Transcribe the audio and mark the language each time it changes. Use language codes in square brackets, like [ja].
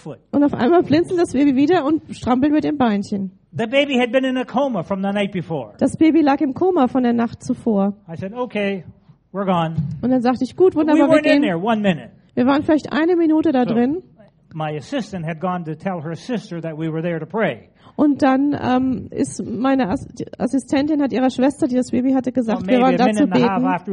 [de] Und auf einmal blinzelt das Baby wieder und strampelt mit dem Beinchen. [en] The baby had been in a coma from the night before. [de] Das Baby lag im Koma von der Nacht zuvor. [en] I said, okay, we're gone. [de] Und dann sagte ich, gut, wunderbar, wir gehen. [en] In there 1 minute. [de] Wir waren vielleicht eine Minute da drin. [en] My assistant had gone to tell her sister that we were there to pray. [de] Und dann ist meine Assistentin hat ihrer Schwester, die das Baby hatte, gesagt, wir waren da zu beten.